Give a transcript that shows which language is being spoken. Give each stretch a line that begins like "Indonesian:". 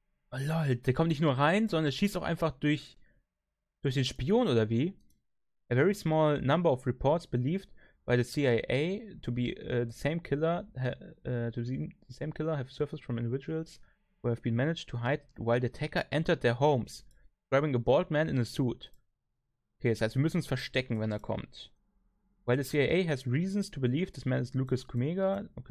German: Oh lol, der kommt nicht nur rein, sondern schießt auch einfach durch den Spion oder wie?
English: A very small number of reports believed by the CIA to be the same killer have surfaced from individuals who have been managed to hide while the attacker entered their homes, grabbing a bald man in a suit.
German: Okay, das heißt, wir müssen uns verstecken, wenn er kommt.
English: While the CIA has reasons to believe this man is Lucas Kumiga.